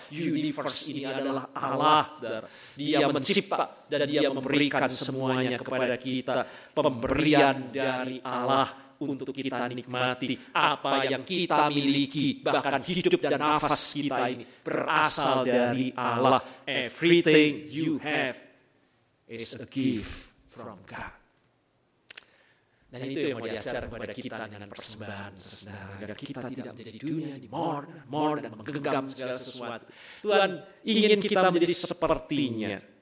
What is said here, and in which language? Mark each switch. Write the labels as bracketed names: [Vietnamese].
[Indonesian] Universe ini adalah Allah. Dia mencipta dan dia memberikan semuanya kepada kita. Pemberian dari Allah untuk kita nikmati. Apa yang kita miliki, bahkan hidup dan nafas kita ini, berasal dari Allah. [English] Everything you have is a gift from God. [Indonesian] Dan itu yang mau diajar kepada kita dengan persembahan saudara, agar kita tidak menjadi dunia ini more dan menggenggam segala sesuatu. Tuhan ingin kita menjadi sepertinya.